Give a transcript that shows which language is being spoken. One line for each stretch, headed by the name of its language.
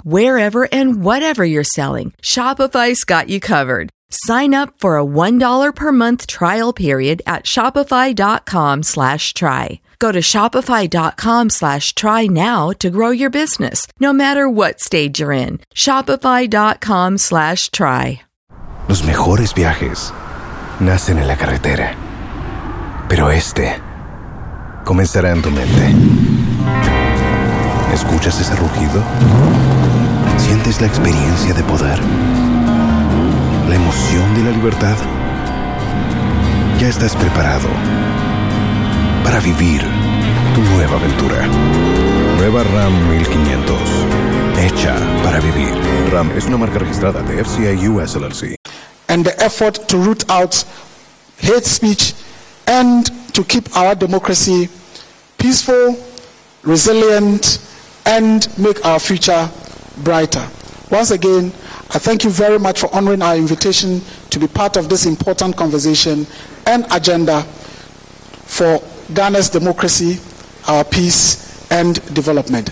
English: Wherever and whatever you're selling, Shopify's got you covered. Sign up for a $1 per month trial period at shopify.com/try. Go to shopify.com/try now to grow your business, no matter what stage you're in. Shopify.com/try.
Spanish: Los mejores viajes nacen en la carretera, pero este comenzará en tu mente. ¿Escuchas ese rugido? ¿Sientes la experiencia de poder? ¿La emoción de la libertad? Ya estás preparado para vivir tu nueva aventura. Nueva Ram 1500. Hecha para vivir. Ram es una marca registrada de FCA US LLC.
English: And the effort to root out hate speech and to keep our democracy peaceful, resilient, and make our future brighter. Once again, I thank you very much for honoring our invitation to be part of this important conversation and agenda for Ghana's democracy, our peace, and development.